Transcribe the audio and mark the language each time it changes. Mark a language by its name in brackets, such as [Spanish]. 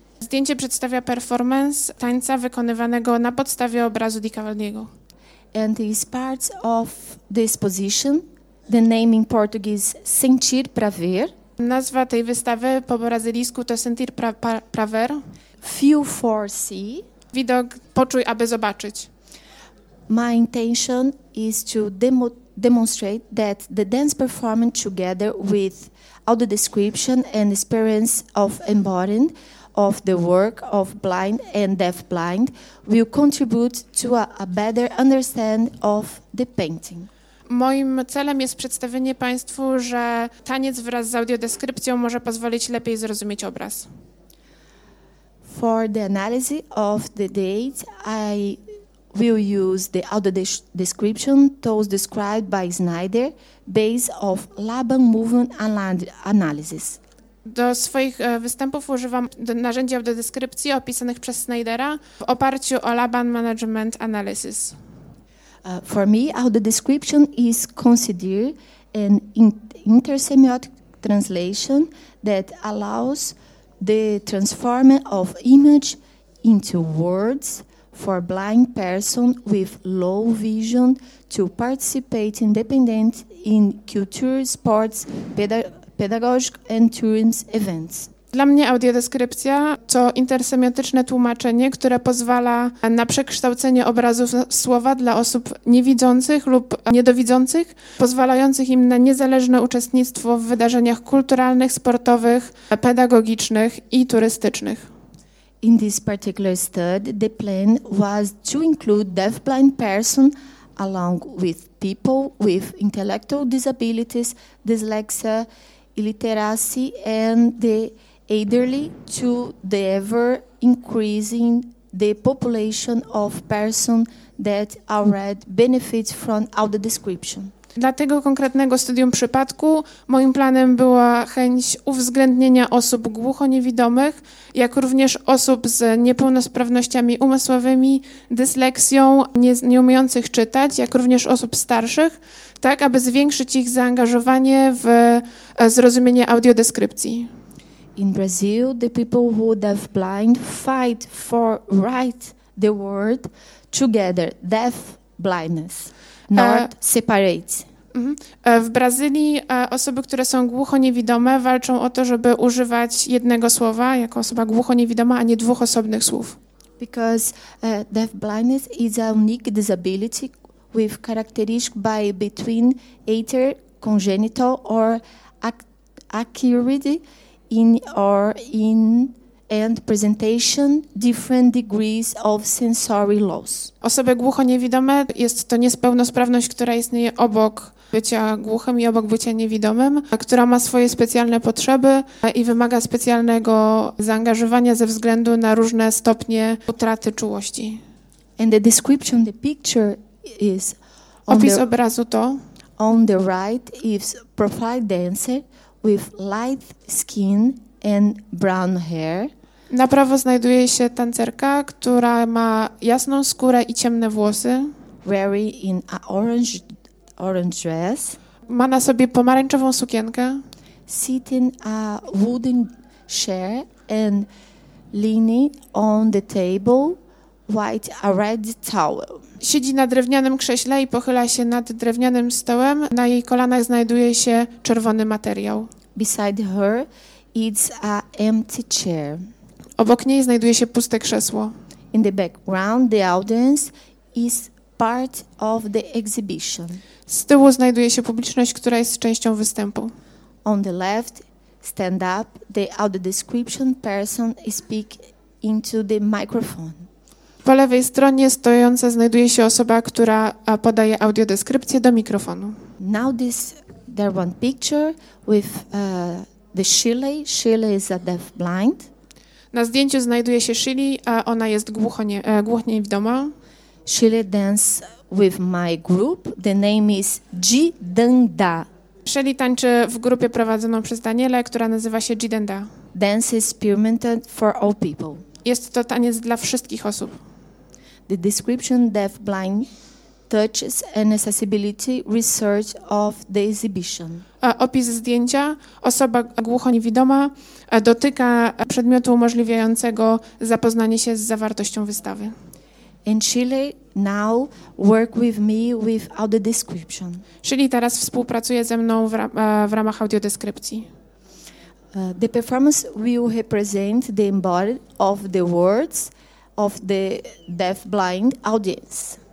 [Polish] Zdjęcie przedstawia performance tańca wykonywanego na podstawie obrazu Di Cavalcanti. [English] And is part of the exposition. The name in Portuguese Sentir Pra Ver. [Polish] Nazwa tej wystawy po brazylijsku to Sentir Pra Ver. [English] Feel for see. [Polish] Widok poczuj, aby zobaczyć. [English] My intention is to demonstrate that the dance performance together with audio description and experience of embodying of the work of blind and deafblind will contribute to a better understanding of the painting. [Polish] Moim celem jest przedstawienie Państwu, że taniec wraz z audiodeskrypcją może pozwolić lepiej zrozumieć obraz. [English] For the analysis of the date, I will use the audiodescription tools described by Snyder based on Laban movement analysis. [Polish] Do swoich występów używam narzędzi audiodeskrypcji opisanych przez Snydera w oparciu o Laban Management Analysis. [English] For me, audiodescription is considered an intersemiotic translation that allows the transforming of image into words for blind person with low vision to participate independent in culture, sports, pedagogic and tourism events. [Polish] Dla mnie audiodeskrypcja to intersemiotyczne tłumaczenie, które pozwala na przekształcenie obrazów słowa dla osób niewidzących lub niedowidzących, pozwalających im na niezależne uczestnictwo w wydarzeniach kulturalnych, sportowych, pedagogicznych i turystycznych. [English] In this particular study, the plan was to include deafblind person along with people with intellectual disabilities, dyslexia, illiteracy and the elderly to the ever increasing the population of person that already benefits from audio description. [Polish] Dla tego konkretnego studium przypadku moim planem była chęć uwzględnienia osób głuchoniewidomych, jak również osób z niepełnosprawnościami umysłowymi, dysleksją, nie umiejących czytać, jak również osób starszych, tak aby zwiększyć ich zaangażowanie w zrozumienie audiodeskrypcji. [English] In Brazil, the people who are deafblind fight for write the word together, deaf blindness, not separate. [Polish] W Brazylii osoby, które są głuchoniewidome, walczą o to, żeby używać jednego słowa jako osoba głuchoniewidoma, a nie dwóch osobnych słów. [English] Because deaf blindness is a unique disability with characteristic by between either congenital or acuity in or in and presentation different degrees of sensory loss. [Polish] Osoby głuchoniewidome jest to niespełnosprawność, która istnieje obok bycia głuchym i obok bycia niewidomym, która ma swoje specjalne potrzeby i wymaga specjalnego zaangażowania ze względu na różne stopnie utraty czułości. [English] And the description, the picture is [Polish] opis obrazu to [English] on the right is profile dancer with light skin and brown hair. [Polish] Na prawo znajduje się tancerka, która ma jasną skórę i ciemne włosy. [English] Wearing in a orange dress. [Polish] Ma na sobie pomarańczową sukienkę. [English] Sitting a wooden chair and leaning on the table white a red towel. [Polish] Siedzi na drewnianym krześle i pochyla się nad drewnianym stołem. Na jej kolanach znajduje się czerwony materiał. [English] Beside her is a empty chair. [Polish] Obok niej znajduje się puste krzesło. [English] In the background the audience is part of the exhibition. [Polish] Z tyłu znajduje się publiczność, która jest częścią występu. [English] On the left stand up the audio description person speak into the microphone. [Polish] Po lewej stronie stojąca znajduje się osoba, która podaje audiodeskrypcję do mikrofonu. [English] Now this there one picture with the Shirley. Shirley is a deaf blind. [Polish] Na zdjęciu znajduje się Shirley, a ona jest głuchoniewidoma. [English] Shirley dance with my group. The name is Jidenda. [Polish] Shirley tańczy w grupie prowadzoną przez Daniela, która nazywa się Jidenda. [English] Dance is permitted for all people. [Polish] Jest to taniec dla wszystkich osób. [English] The description deaf blind touches an accessibility research of the exhibition. [Polish] Opis zdjęcia. Osoba głuchoniewidoma dotyka przedmiotu umożliwiającego zapoznanie się z zawartością wystawy. [English] And Shirley now work with me with audio description. [Polish] Shirley teraz współpracuje ze mną w ramach audiodeskrypcji. [English] The performance will represent the embodiment of the words of the deaf-blind audience.